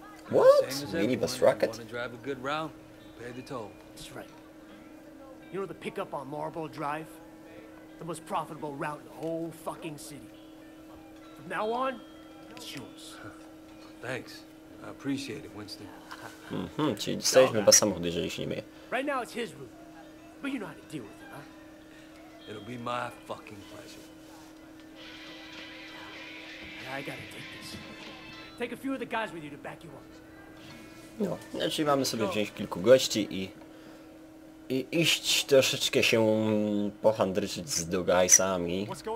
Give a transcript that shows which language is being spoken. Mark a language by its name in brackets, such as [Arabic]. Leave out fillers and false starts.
[English] What? Minibus racket? Wanna drive a good route, pay the toll. That's right. You know the pickup on Marlboro Drive? The most profitable route in the whole fucking city. From now on, thanks. I appreciate it, Winston. [Polish] Mhm, czyli dostaliśmy chyba samochód, jeżeli się nie myje. [English] Right now it's his room. But you know how to deal with it, huh? It'll be my fucking pleasure. And I gotta take this. Take a few of the guys with you to back you up. [Polish] No, czyli mamy sobie wziąć kilku gości i... iść troszeczkę się pohandryczyć z Dugaisami.